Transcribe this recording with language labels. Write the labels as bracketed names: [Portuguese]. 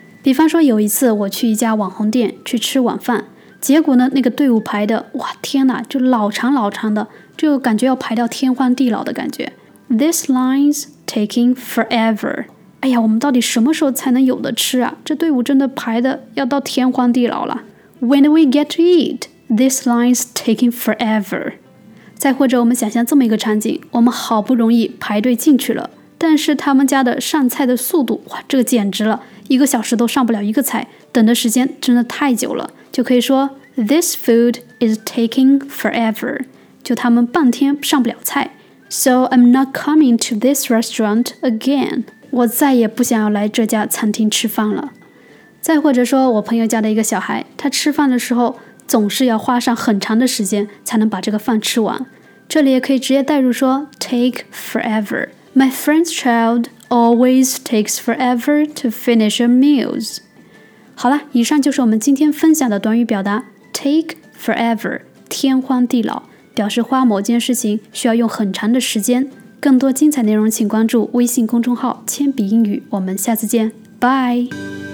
[Chinese] 比方说有一次我去一家网红店去吃晚饭，结果呢那个队伍排的，哇天哪，就老长老长的，就感觉要排到天荒地老的感觉。 [English] This line's taking forever。 [Chinese] 哎呀，我们到底什么时候才能有的吃啊？这队伍真的排的要到天荒地老了。 [English] When we get to eat, this line's taking forever. [Chinese] 再或者我们想象这么一个场景，我们好不容易排队进去了，但是他们家的上菜的速度，哇，这个简直了，一个小时都上不了一个菜，等的时间真的太久了，就可以说 [English] This food is taking forever. [Chinese] 就他们半天上不了菜。 [English] So I'm not coming to this restaurant again. [Chinese] 我再也不想要来这家餐厅吃饭了。再或者说我朋友家的一个小孩，他吃饭的时候总是要花上很长的时间才能把这个饭吃完，这里也可以直接带入说 take forever. [English] My friend's child always takes forever to finish a meals. [Chinese] 好了，以上就是我们今天分享的短语表达 take forever， 天荒地老，表示花某件事情需要用很长的时间。更多精彩内容请关注微信公众号铅笔英语，我们下次见，拜。